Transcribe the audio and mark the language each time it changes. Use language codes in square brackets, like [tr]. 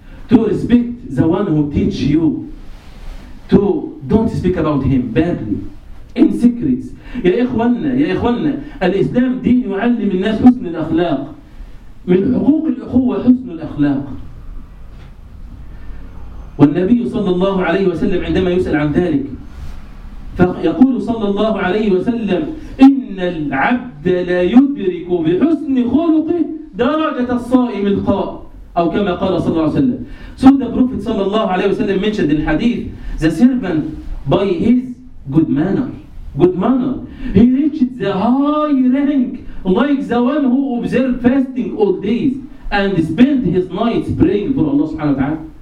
[en] To respect the one who teach you, to don't speak about him badly. In secrets. [ar] يا إخوانا الإسلام دين يعلم الناس حسن الأخلاق. من حقوق الأخوة حسن الأخلاق. والنبي صلى الله عليه وسلم عندما يسأل عن ذلك فيقول صلى الله عليه وسلم: إن العبد لا يدرك بحسن خلقه درجة الصائم القائم. أو كما قال صلى الله عليه وسلم. [en] So the Prophet [ar] صلى الله عليه وسلم [en] mentioned in hadith, the servant by his good manner. Good manner. He reached the high rank, like the one who observed fasting all days and spent his nights praying for Allah subhanahu wa ta'ala.